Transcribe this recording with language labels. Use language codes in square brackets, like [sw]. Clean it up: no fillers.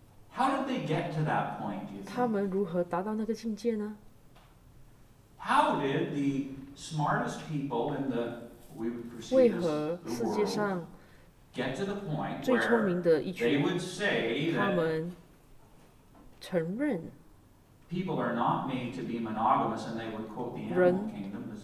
[en] How did they get to that point, do you think? [zh] 他们如何达到那个境界呢？ [en] How did the smartest people in the we would perceive as the world [zh] 为何世界上 [en] get to the point where [zh] 最聪明的一群 [en] they would say that [zh] 他们承认 [en] people are not made to be monogamous and they would quote the animal kingdom as the